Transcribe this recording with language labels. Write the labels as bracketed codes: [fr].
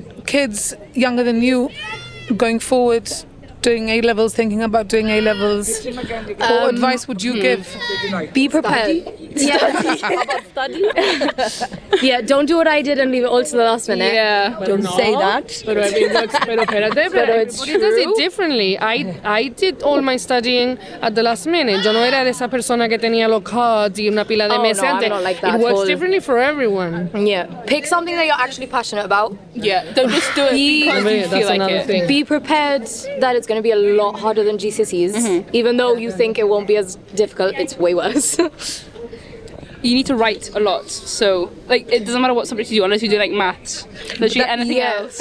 [en] kids younger than you going forward, doing A-levels, thinking about doing A-levels, what advice would you give? Be prepared. Study? Yeah. Study? Yeah, don't do what I did and leave it all to the last minute. Yeah. Don't say that. But I mean, but it's true. Does it differently. I did all my studying at the last minute. [es] Yo no era de esa persona que tenía los cards y una pila de meses antes. [en] I'm not like that. It works differently for everyone. Yeah. Pick something that you're actually passionate about. Yeah. Don't just do it because you feel like it. Be prepared that it's going to be a lot harder than GCSEs, mm-hmm. even though you think it won't be as difficult, it's way worse. You need to write a lot, so like it doesn't matter what subject you do, unless you do like maths, literally that, anything else.